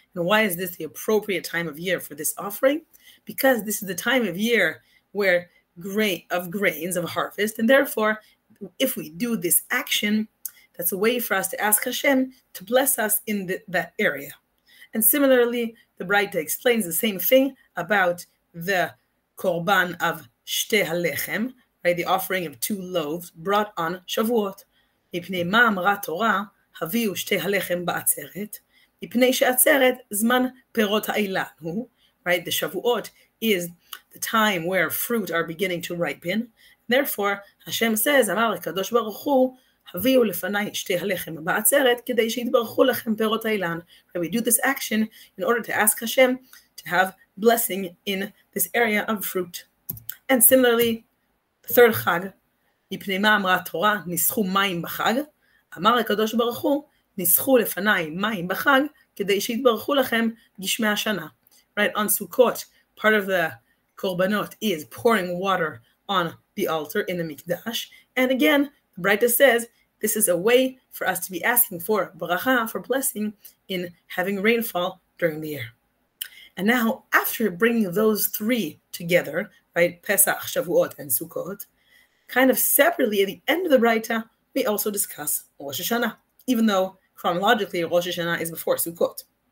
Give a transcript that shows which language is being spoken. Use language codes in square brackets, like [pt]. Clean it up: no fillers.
[en] And why is this the appropriate time of year for this offering? Because this is the time of year where grains of harvest, and therefore, if we do this action, that's a way for us to ask Hashem to bless us in that area. And similarly, the Braita explains the same thing about the Korban of Shtei HaLechem, right? The offering of two loaves brought on Shavuot. [he] מפני מה אמרה תורה, הביאו שתי הלחם בעצרת, מפני שעצרת זמן פירות האילן הוא, right? [en] The Shavuot is the time where fruit are beginning to ripen. Therefore, Hashem says, [he] אמר הקדוש ברוך הוא, הביאו לפני שתי הלחם בעצרת, כדי שיתברכו לכם פירות האילן. [en] And we do this action in order to ask Hashem to have blessing in this area of fruit. And similarly, the third chag, [he] מפני מה אמרה תורה, ניסחו מים בחג? אמר הקדוש ברוך הוא, ניסחו לפניי מים בחג, כדי שיתברכו לכם גשמי השנה. [en] Right, on Sukkot, part of the korbanot is pouring water on the altar in the Mikdash. And again, the Braita says, This is a way for us to be asking for bracha, for blessing, in having rainfall during the year. And now, after bringing those three together, right, Pesach, Shavuot, and Sukkot, kind of separately at the end of the Braita, we also discuss Rosh Hashanah, even though chronologically Rosh Hashanah is before Sukkot.